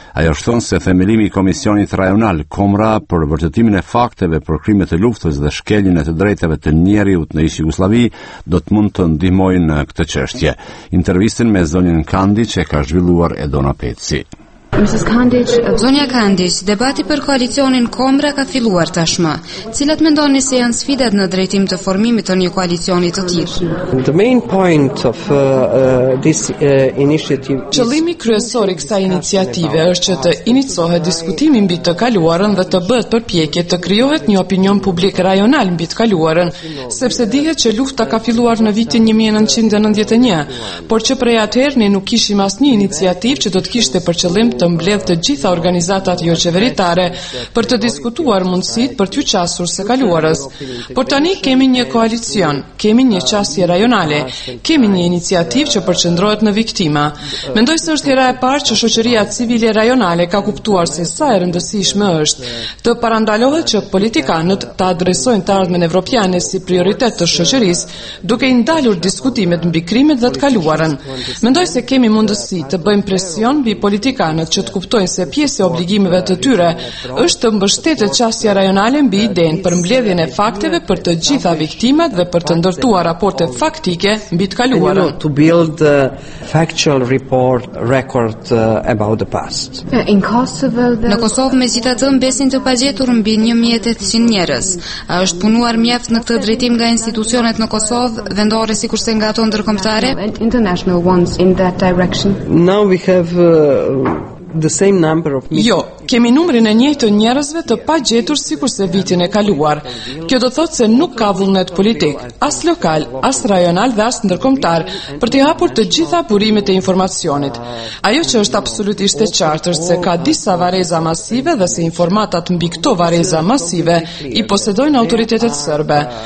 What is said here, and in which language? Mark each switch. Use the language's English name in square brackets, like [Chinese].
[Albanian] Ajo shton se themelimi i Komisionit Rajonal Komra për vërtetimin e fakteve për krimet e luftës dhe shkeljen e të drejtave të njeriut në ish Jugosllavi do të mund të ndihmojë në këtë çështje. Intervistën me zonjën Kandić e ka zhvilluar Edona Peci. Mrs. Kandić, zonja Kandić, debati për koalicionin Komra ka filluar tashmë. Cilat mendoni se janë sfidat në drejtim të formimit të një koalicioni të tillë? [English] The main point of this initiative. [Albanian] Qëllimi kryesor i kësaj iniciative është që të iniciohet diskutimi mbi të kaluarën dhe të bëhet përpjekje të krijohet një opinion publik rajonal mbi të kaluarën, sepse dihet që lufta ka filluar në vitin 1991, por që prej atëherë nuk kishim asnjë iniciativë që do të kishte për qëllim të mbledh të gjitha organizatat jo qeveritare për të diskutuar mundësit për t'ju qasur së kaluarës. Por tani kemi një koalicion, kemi një qasje rajonale, kemi një iniciativë që përqendrohet në viktima. Mendoj se është hera e parë që shoqëria civile rajonale ka kuptuar se sa e rëndësishme është të parandalohet që politikanët ta adresojnë të ardhmen evropiane si prioritet të shoqërisë, duke i ndalur diskutimet mbi krimet dhe të kaluarën. Mendoj se kemi mundësi të bëjmë presion mbi politikanët që të kuptojnë se pjesë e obligimeve të tyre është të mbështetet qasja rajonale mbi idenë për mbledhjen e fakteve për të gjitha viktimat dhe për të ndërtuar raporte faktike mbi të kaluarën. [English] To build a factual report record about the past. [Albanian] Në Kosovë megjithatë mbesin të pagjetur mbi 1800 njerëz. A është punuar mjaft në këtë drejtim nga institucionet në Kosovë, vendore sikurse nga ato ndërkombëtare? [English] Now we have the same number of [Albanian] jo, Kemi numrin e njëjtën njerëzve të pa gjetur sikur se vitin e kaluar. Kjo do thotë se nuk ka vullnet politik, as lokal, as rajonal dhe as ndërkombëtar për të hapur të gjitha burimet e informacionit. Ajo që është absolutisht e qartë është se ka disa vareza masive dhe se informatat mbi këto vareza masive i posedojnë autoritetet sërbe.